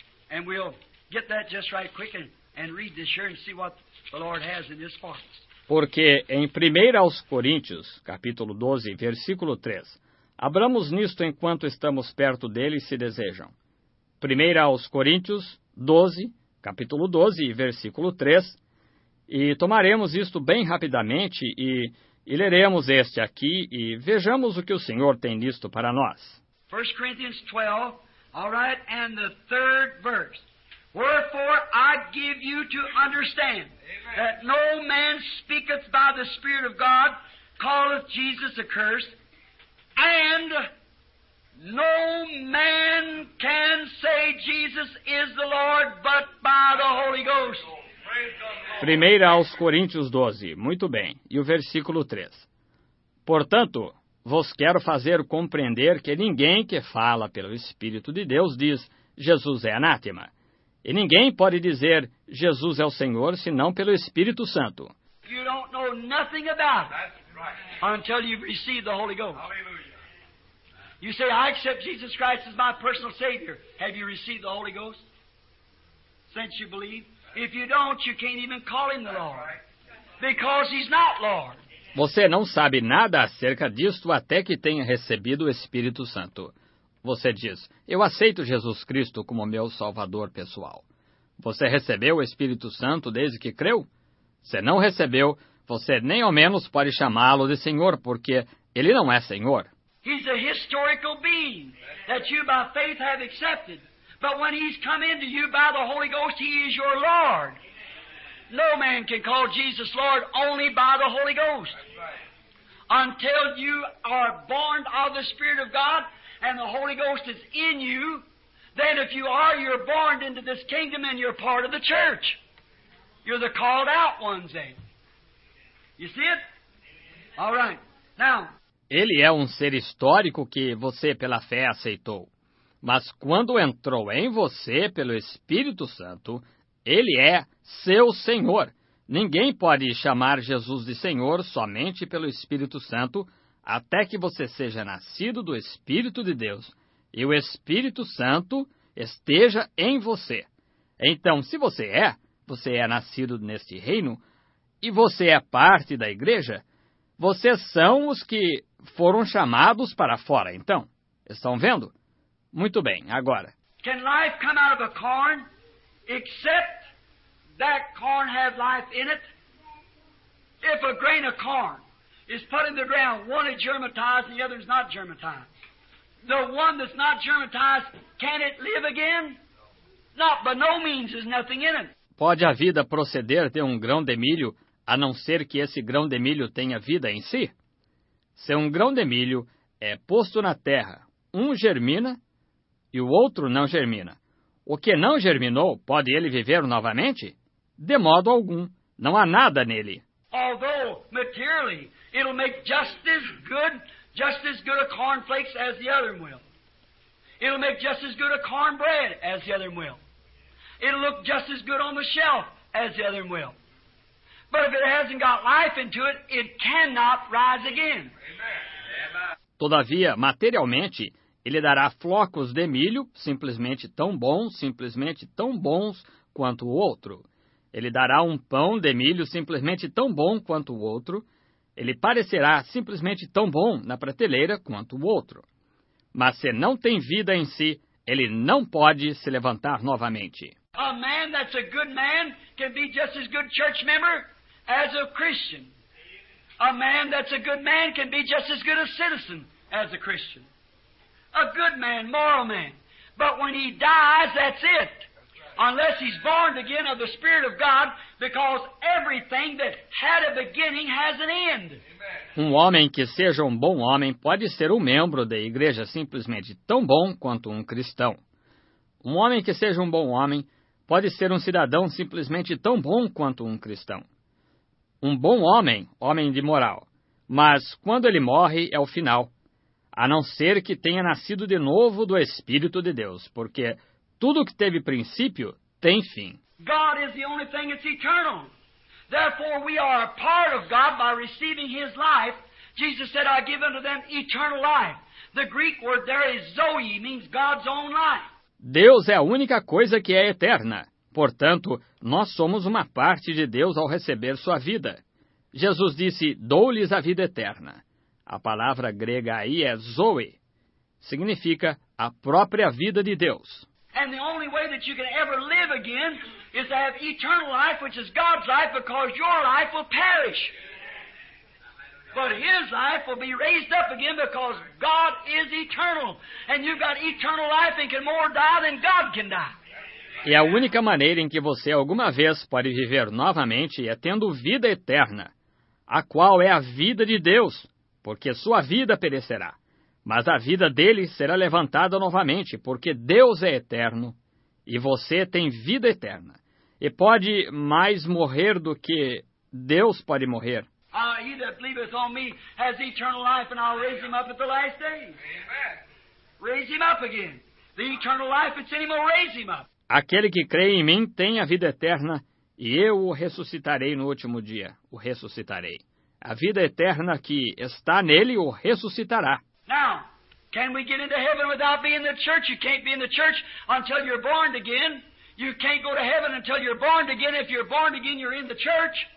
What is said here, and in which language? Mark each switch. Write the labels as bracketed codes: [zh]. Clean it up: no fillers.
[en] And we'll get that just right quick and read this here and see what the Lord has in his heart. [pt] Porque em 1 aos Coríntios, capítulo 12, versículo 3, abramos nisto enquanto estamos perto dele, se desejam. 1 aos Coríntios 12, capítulo 12, versículo 3, e tomaremos isto bem rapidamente e leremos este aqui e vejamos o que o Senhor tem nisto para nós. [en] 1 Corinthians 12, all right, and the 3rd verse. Wherefore I give you to understand that no man speaketh by the Spirit of God, calleth Jesus accursed, and no man can say Jesus is the Lord but by the Holy Ghost. [pt] 1 aos Coríntios 12, muito bem, e o versículo 3. Portanto, vos quero fazer compreender que ninguém que fala pelo Espírito de Deus diz Jesus é anátema. E ninguém pode dizer, Jesus é o Senhor, senão pelo Espírito Santo. [en] You don't know nothing about it. That's right. Until you receive the Holy Ghost. Hallelujah. You say, I accept Jesus Christ as my personal Savior. Have you received the Holy Ghost? Since you believe? If you don't, you can't even call Him the Lord. Right. Because He's not Lord. [pt] Você não sabe nada acerca disto até que tenha recebido o Espírito Santo. Você diz, eu aceito Jesus Cristo como meu Salvador pessoal. Você recebeu o Espírito Santo desde que creu? Se não recebeu, você nem ao menos pode chamá-lo de Senhor, porque Ele não é Senhor. [en] He's a historical being that you by faith have accepted. But when He's come into you by the Holy Ghost, He is your Lord. No man can call Jesus Lord only by the Holy Ghost. Until you are born of the Spirit of God, and the Holy Ghost is in you, then if you are, you're born into this kingdom and you're part of the church. You're the called out ones, then. You see it? All right. Now. [pt] Ele é um ser histórico que você pela fé aceitou. Mas quando entrou em você pelo Espírito Santo, ele é seu Senhor. Ninguém pode chamar Jesus de Senhor somente pelo Espírito Santo, até que você seja nascido do Espírito de Deus e o Espírito Santo esteja em você. Então, se você é, você é nascido neste reino e você é parte da igreja, vocês são os que foram chamados para fora, então. Estão vendo? Muito bem, agora. [en] Can life come out of a corn except that corn have life in it? If a grain of corn is put in the ground, one is germatized, the other is not germatized. The one that's not germatized, can it live again? Not by no means is nothing in it. [pt] Pode a vida proceder de um grão de milho, a não ser que esse grão de milho tenha vida em si? Se um grão de milho é posto na terra, um germina e o outro não germina. O que não germinou, pode ele viver novamente? De modo algum, não há nada nele. [en] Although materially, it'll make just as good a cornflakes as the other one will. It'll make just as good a cornbread as the other one will. it'll look just as good on the shelf as the other one will. But if it hasn't got life into it, it cannot rise again. [pt] Todavia, materialmente, ele dará flocos de milho simplesmente tão bons quanto o outro. Ele dará um pão de milho simplesmente tão bom quanto o outro. Ele parecerá simplesmente tão bom na prateleira quanto o outro. Mas se não tem vida em si, ele não pode se levantar novamente. [en] A man that's a good man can be just as good church member as a Christian. A man that's a good man can be just as good a citizen as a Christian. A good man, moral man. But when he dies, that's it. Unless he's born again of the Spirit of God, because everything that had a beginning has an end. [pt] Um homem que seja um bom homem pode ser um membro da igreja simplesmente tão bom quanto um cristão. Um homem que seja um bom homem pode ser um cidadão simplesmente tão bom quanto um cristão. Um bom homem, homem de moral. Mas quando ele morre, é o final. A não ser que tenha nascido de novo do Espírito de Deus, porque tudo que teve princípio tem fim. [en] God is the only thing that's eternal. Therefore, we are a part of God by receiving His life. Jesus said, I give unto them eternal life. The Greek word there is Zoe, means God's own life. [pt] Deus é a única coisa que é eterna. Portanto, nós somos uma parte de Deus ao receber sua vida. Jesus disse, dou-lhes a vida eterna. A palavra grega aí é Zoe. Significa a própria vida de Deus. [en] And the only way that you can ever live again is to have eternal life, which is God's life, because your life will perish. But His life will be raised up again because God is eternal. And you've got eternal life and can more die than God can die. [pt] E a única maneira em que você alguma vez pode viver novamente é tendo vida eterna, a qual é a vida de Deus, porque sua vida perecerá. Mas a vida dele será levantada novamente, porque Deus é eterno e você tem vida eterna. E pode mais morrer do que Deus pode morrer. [en] He that believeth on me has eternal life, and I'll raise him up at the last day. Raise him up again. The eternal life, it's in him, I'll raise him up. [pt] Aquele que crê em mim tem a vida eterna, e eu o ressuscitarei no último dia. O ressuscitarei. A vida eterna que está nele o ressuscitará. [en] Now, can we get into heaven without being in the church? You can't be in the church until you're born again. You can't go to heaven until you're born again. If you're born again, you're in the church.